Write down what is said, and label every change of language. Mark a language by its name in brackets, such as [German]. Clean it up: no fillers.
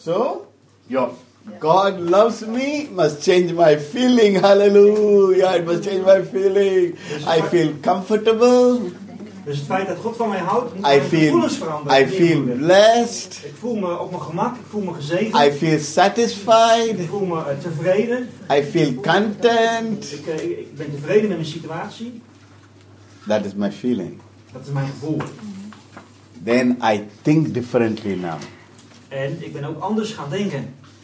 [English] So, your God loves me, must change my feeling. Hallelujah, it must change my feeling. I feel comfortable. [Dutch] Dus het feit dat God van mij houdt, moet mijn gevoelens veranderen. [English] I feel blessed. [Dutch] Ik voel me op mijn gemak, ik voel me gezegend. [English] I feel satisfied. [Dutch] Ik voel me tevreden. [English] I feel content. [Dutch] Ik ben tevreden met mijn situatie. [English] That is my feeling. [Dutch] Dat is mijn gevoel. [English] Then I think differently now. [Dutch] En ik ben ook anders gaan denken.